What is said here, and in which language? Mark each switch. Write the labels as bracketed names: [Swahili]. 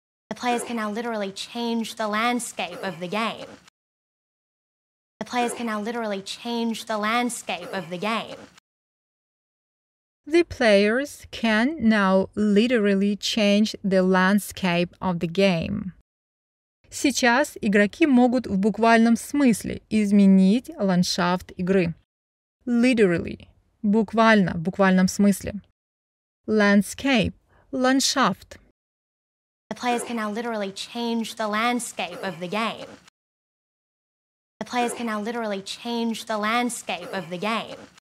[English] The players can now literally change the landscape of the game. The players can now literally change the landscape of the game. The players can now literally change the landscape of the game. [Russian] Сейчас игроки могут в буквальном смысле изменить ландшафт игры. [English] Literally. [Russian] Буквально, в буквальном смысле. Landscape. Ландшафт. [English] The players can now literally change the landscape of the game. The players can now literally change the landscape of the game.